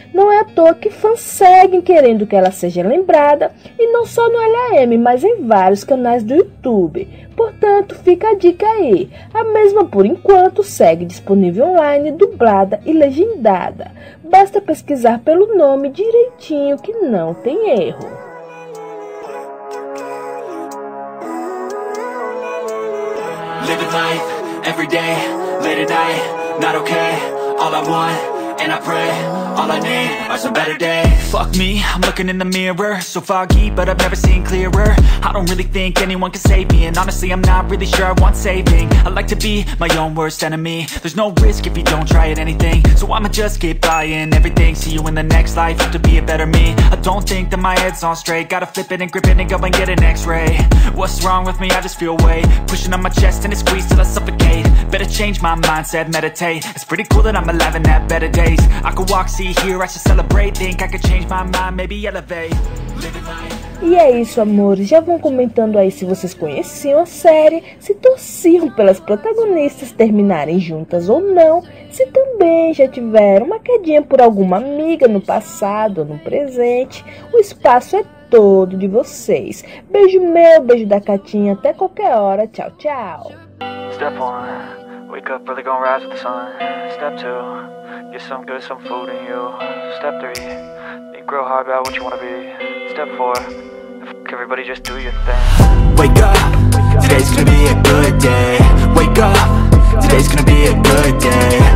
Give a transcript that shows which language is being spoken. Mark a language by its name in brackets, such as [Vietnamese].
[Portuguese] Não é à toa que fãs seguem querendo que ela seja lembrada, e não só no LAM, mas em vários canais do YouTube. Portanto, fica a dica aí. A mesma, por enquanto, segue disponível online, dublada e legendada. Basta pesquisar pelo nome direitinho que não tem erro. [English] Living life, every day, late at night, not okay. All I want, and I pray, all I need are some better days. Fuck me, I'm looking in the mirror. So foggy, but I've never seen clearer. I don't really think anyone can save me. And honestly, I'm not really sure I want saving. I like to be my own worst enemy. There's no risk if you don't try at anything. So I'ma just get buying everything. See you in the next life, have to be a better me. I don't think that my head's on straight. Gotta flip it and grip it and go and get an x-ray. What's wrong with me? I just feel weight pushing on my chest and it squeezes till I suffocate. Better change my mindset, meditate. It's pretty cool that I'm alive and have better days. I could walk, see, hear, I should celebrate. Think I could change my mind, maybe elevate. [Portuguese] E é isso, amores. Já vão comentando aí se vocês conheciam a série, se torciam pelas protagonistas terminarem juntas ou não, se também já tiveram uma quedinha por alguma amiga no passado ou no presente. O espaço é todo de vocês. Beijo meu, beijo da Catinha. Até qualquer hora. Tchau, tchau. [English] Step 1, wake up, really gonna rise with the sun. Step 2, get some good, some food in you. Step 3, think real hard about what you wanna be. Step 4, fuck everybody, just do your thing. Wake up, today's gonna be a good day. Wake up, today's gonna be a good day.